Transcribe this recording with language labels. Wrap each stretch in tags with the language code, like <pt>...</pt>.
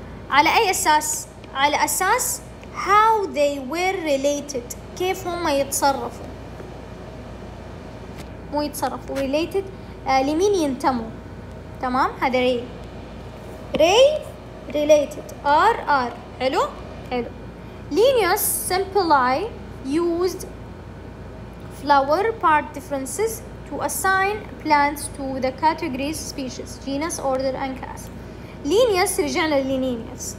<ar>على أي أساس؟ على أساس</ar> <en>how they were related،</en> <ar>كيف هم يتصرفوا، مو يتصرفوا related، لمين ينتموا. تمام هذا ري، ري related R R. حلو حلو.</ar> <en>Linnaeus simply used flower part differences to assign plants to the categories species genus order and class.</en> <ar>Linnaeus، رجعنا لليناينيوس.</ar>